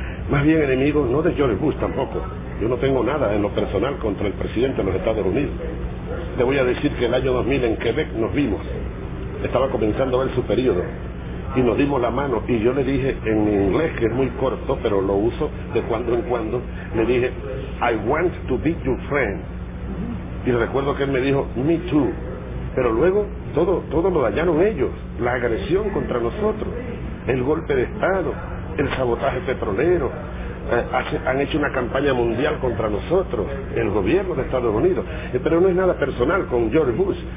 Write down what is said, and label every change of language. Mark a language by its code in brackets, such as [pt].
[es] Más bien enemigo no de George Bush tampoco. Yo no tengo nada en lo personal contra el presidente de los Estados Unidos. Te voy a decir que el año 2000 en Quebec nos vimos. Estaba comenzando a ver su periodo. Y nos dimos la mano y yo le dije en inglés, que es muy corto, pero lo uso de cuando en cuando. Le dije, [en] I want to be your friend. [es] Y recuerdo que él me dijo, [en] me too. [es] Pero luego todo lo dañaron ellos. La agresión contra nosotros, el golpe de Estado, el sabotaje petrolero. han hecho una campaña mundial contra nosotros, el gobierno de Estados Unidos, pero no es nada personal con George Bush.